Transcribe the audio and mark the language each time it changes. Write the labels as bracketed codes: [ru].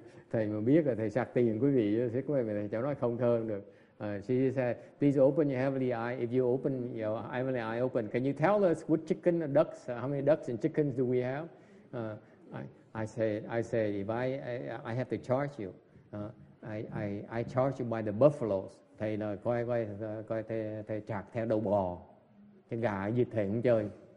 [vi] Thầy mà biết là thầy sạc tiền quý vị sẽ có vẻ thầy cháu nói không thơm được. [en] She said, please open your heavenly eye. If you open your heavenly eye open, can you tell us what chicken or ducks, how many ducks and chickens do we have? I said, if I have to charge you, I charge you by the buffaloes. [vi] Thầy là coi thầy chạc theo đầu bò. Cái gà gì thầy không chơi.